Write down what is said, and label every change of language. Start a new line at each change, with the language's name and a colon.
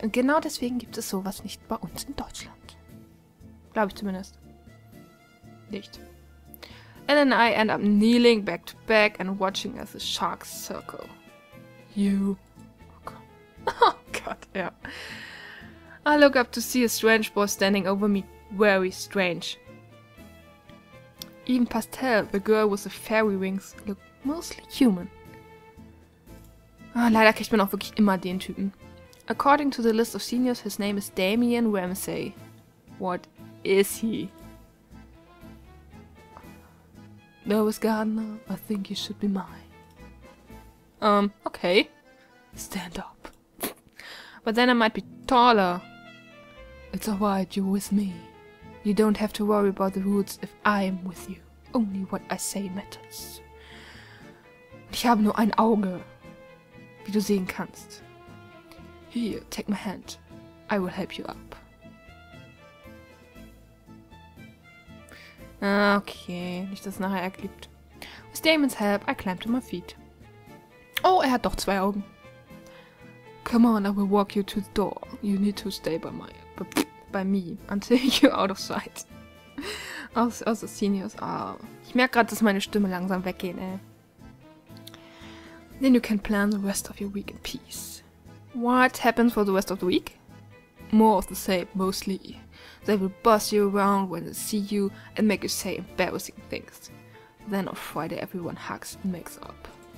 German: Und genau deswegen gibt es sowas nicht bei uns in Deutschland. Glaube ich zumindest. Nicht.
English: Ellen and I end up kneeling back to back and watching as the sharks circle. You. Oh God, yeah. I look up to see a strange boy standing over me. Very strange. Even Pastel, the girl with the fairy wings, look mostly human.
German: Oh, leider kriegt man auch wirklich immer den Typen.
English: According to the list of seniors, his name is Damien Ramsey. What is he? Lois Gardner, I think you should be mine. Okay. Stand up. But then I might be taller. It's alright, you're with me. You don't have to worry about the rules if I'm with you. Only what I say matters.
German: Ich habe nur ein Auge. Wie du sehen kannst.
English: Here, take my hand. I will help you up.
German: Okay, nicht, dass es nachher erklebt.
English: With Damon's help, I climb to my feet.
German: Oh, er hat doch zwei Augen.
English: Come on, I will walk you to the door. You need to stay by me, until you're out of sight. Also seniors, oh.
German: Ich merke gerade, dass meine Stimme langsam weggeht, ey.
English: Then you can plan the rest of your week in peace. What happens for the rest of the week? More of the same, mostly. They will boss you around when they see you and make you say embarrassing things. Then on Friday everyone hugs and makes up.